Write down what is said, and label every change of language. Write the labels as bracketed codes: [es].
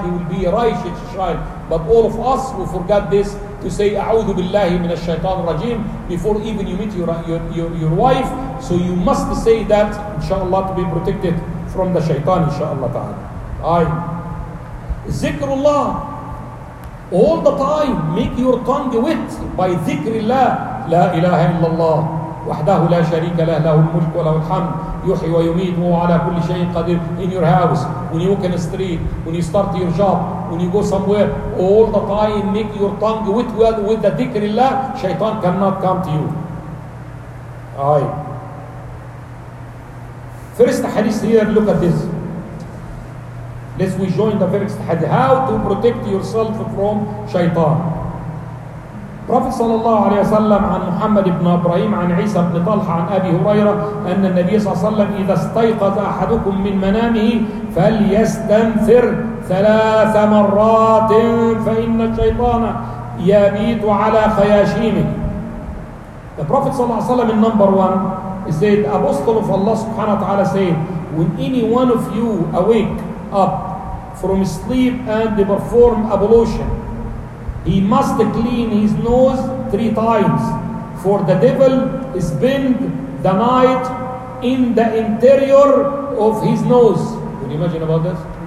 [en] He will be a righteous child. But all of us will forget this, to say A'udhu billahi min ash-shaytan rajim before even you meet your wife. So you must say that, inshallah, to be protected from the shaitan, inshallah ta'ala. Aye. Zikrullah. All the time, make your tongue wet by zikrillah. [ar] La ilaha illallah. وحده لا شريك له له الملك وله الحمد يحيي ويميت وهو على كل شيء قدير. [en] In your house, when you walk in the street, when you start your job, when you go somewhere, all the time make your tongue with the dhikr Allah, shaitan cannot come to you. Aye. First hadith here, look at this. Let's we join the first hadith. How to protect yourself from shaitan. [ar] Prophet صلى الله عليه وسلم عن محمد بن إبراهيم عن عيسى بن طلحة عن أبي هريرة أن النبي صلى الله عليه وسلم إذا استيقظ أحدكم من منامه فليستنثر ثلاث مرات فإن الشيطان يبيت على خياشيمك. [en] The Prophet [ar] صلى الله عليه وسلم [en] in number one is said, Apostle of Allah subhanahu wa ta'ala said, when any one of you awake up from sleep and perform ablution, he must clean his nose three times, for the devil spend the night in the interior of his nose. Can you imagine about this?